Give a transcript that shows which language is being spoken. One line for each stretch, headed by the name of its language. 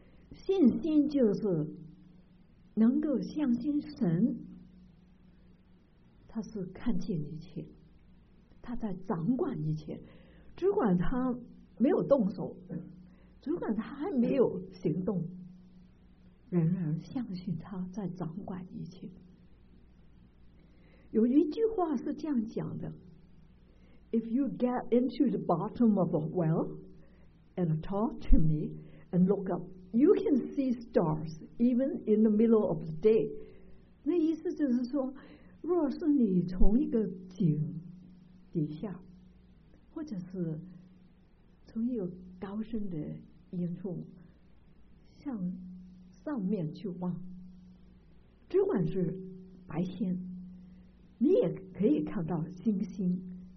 Chinese: 信心就是能够相信神，他是看见一切，他在掌管一切，只管他没有动手，只管他还没有行动，仍然相信他在掌管一切。
English: 有一句话是这样讲的， If you get into the bottom of a well and talk to me and look up, you can see stars even in the middle of the day.
Chinese: 那意思就是说，若是你从一个井底下，或者是从一个高深的岩缝向上面去望，只管是白天，你也可以看到星星。